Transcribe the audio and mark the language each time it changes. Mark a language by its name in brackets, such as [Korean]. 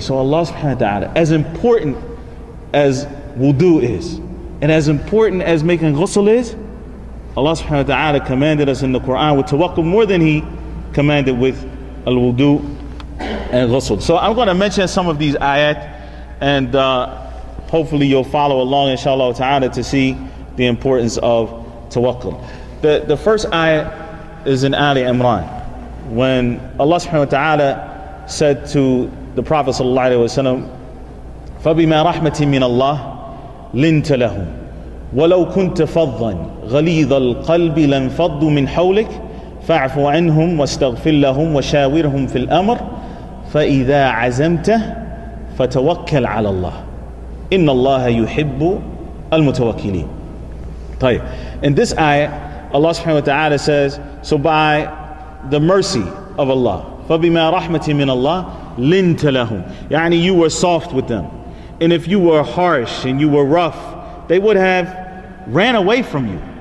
[English] So Allah subhanahu wa ta'ala, as important as wudu is and as important as making ghusl is, Allah subhanahu wa ta'ala commanded us in the Quran with tawakkul more than he commanded with al-wudu and ghusl. So I'm going to mention some of these ayat, and hopefully you'll follow along inshallah ta'ala to see the importance of tawakkul. The first ayat is in Ali Imran, when Allah subhanahu wa ta'ala said to the Prophet sallallahu alaihi wasallam, [Arabic] فَبِمَا رَحْمَةٍ مِّنَ اللَّهِ لِنْتَ لَهُمْ وَلَوْ كُنْتَ فَضًّا غَلِيظَ الْقَلْبِ لَنْفَضُّ مِنْ حَوْلِكَ فَاعْفُ عَنْهُمْ وَاسْتَغْفِرْ لَهُمْ وَشَاوِرْهُمْ فِي الْأَمْرِ فَإِذَا عَزَمْتَ فَتَوَكَّلْ عَلَى اللَّهِ إِنَّ اللَّهَ يُحِبُّ الْمُتَوَكِّلِينَ. طيب. [English] In this ayah, Allah subhanahu wa ta'ala says, so by the mercy of Allah, [Arabic] فَبِمَا رَحْمَةٍ مِّنَ اللَّهِ لِنْتَ لَهُمْ, [English] يعني you were soft with them. And if you were harsh and you were rough, they would have ran away from you.